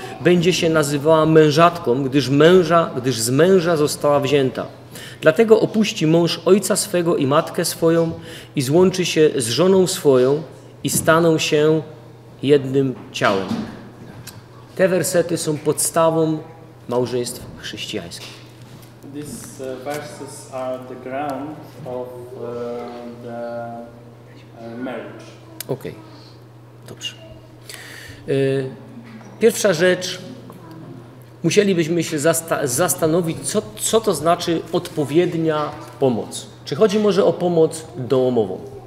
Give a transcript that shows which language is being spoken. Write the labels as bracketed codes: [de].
[pl] Będzie się nazywała mężatką, gdyż z męża została wzięta. Dlatego opuści mąż ojca swego i matkę swoją i złączy się z żoną swoją i staną się jednym ciałem. Te wersety są podstawą małżeństw chrześcijańskich. [en] These verses are the ground of the marriage. [pl] Okej. Dobrze. Pierwsza rzecz, musielibyśmy się zastanowić, co to znaczy odpowiednia pomoc. Czy chodzi może o pomoc domową?